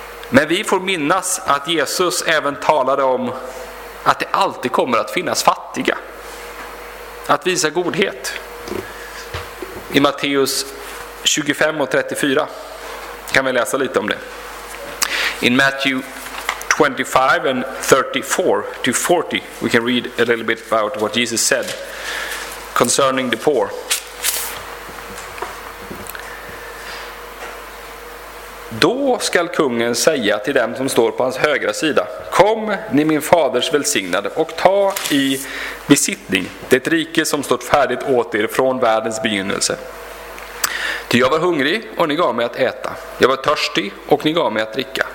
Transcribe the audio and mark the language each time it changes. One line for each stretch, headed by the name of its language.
Swedish: Men vi får minnas att Jesus även talade om att det alltid kommer att finnas fattiga. Att visa godhet. I Matteus 25 och 34 kan vi läsa lite om det.
English: In Matthew 25 and 34 to 40 we can read a little bit about what Jesus said concerning the poor.
Swedish: Då ska kungen säga till dem som står på hans högra sida: kom ni min faders välsignade och ta i besittning det rike som stått färdigt åt er från världens begynnelse. Ty jag var hungrig och ni gav mig att äta. Jag var törstig och ni gav mig att dricka.